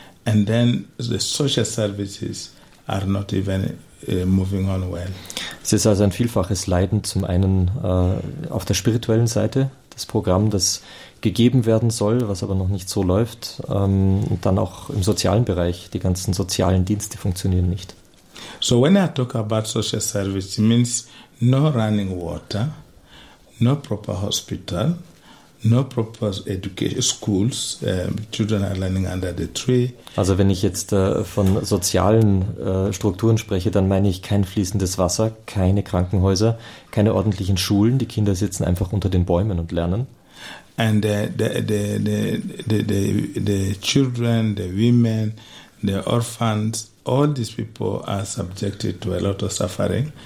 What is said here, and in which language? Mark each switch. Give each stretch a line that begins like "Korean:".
English: And then the social services are not even moving on well.
German: Es ist also ein vielfaches Leiden, zum einen auf der spirituellen Seite, das Programm, das gegeben werden soll, was aber noch nicht so läuft, und dann auch im sozialen Bereich, die ganzen sozialen Dienste funktionieren nicht.
English: So when I talk about social service, it means no running water, no proper hospital, no proper education, schools, children are learning under the tree.
German: Also wenn ich jetzt von sozialen Strukturen spreche, dann meine ich kein fließendes Wasser, keine Krankenhäuser, keine ordentlichen Schulen, die Kinder sitzen einfach unter den Bäumen und lernen.
English: And the children, the women, the orphans, all these people are subjected to a lot of suffering.